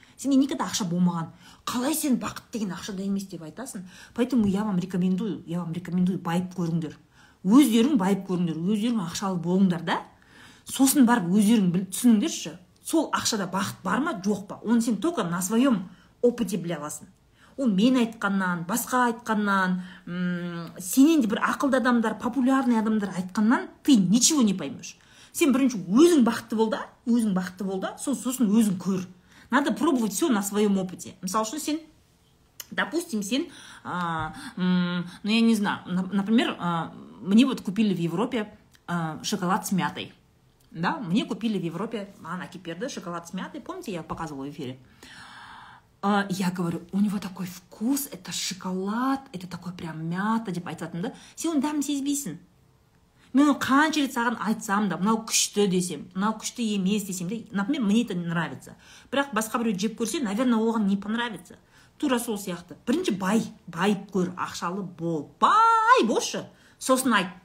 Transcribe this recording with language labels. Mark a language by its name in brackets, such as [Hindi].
[Kazakh] Сенде никогда ақша болмаған. Қалай сен бақыт деген ақшада емес деп айтасың? [Russian] Поэтому я вам рекомендую [Kazakh] байып көріңдер. Өздерің байып көріңдер. Өздерің ақшалы болыңдар да. Сосын барып өздерің түсініңдерші. Сол ақшада бақыт бар ма, жоқ па? Оны сен [Russian] только на своем опыте [Kazakh] біле аласың. Ол мен айтқаннан, басқа айтқаннан, сенен де бір ақылды адамдар, популярный адамдар айтқаннан [Russian] ты ничего не поймешь. [Kazakh] Сен бірінші өзің бақытты болда, сосын өзің көр. [Russian] Надо пробовать все на своем опыте. [Kazakh] Мысалы үшін сен, [Russian] допустим, сен, ну я не знаю, например, мне вот купили в Европе шоколад с мятой. Да, мне купили в Европе, она киперда, шоколад с мятой, помните, я показывала в эфире. Я говорю, у него такой вкус, это шоколад, это такой прям мята, типа, айтатын, да? [Kazakh] Сен дәм сезбейсін. Мен қанша рет саған айтсам да, мынау күшті десем, мынау күшті емес десем, да, [Russian] например, мне это не нравится. [Kazakh] Бірақ басқа біреу жеп көрсе, наверное, оған [Russian] не понравится. [Kazakh] Тура сол сияқты. Бірінші бай, байып көр, ақшалы бол, бай болшы. Сосын айт.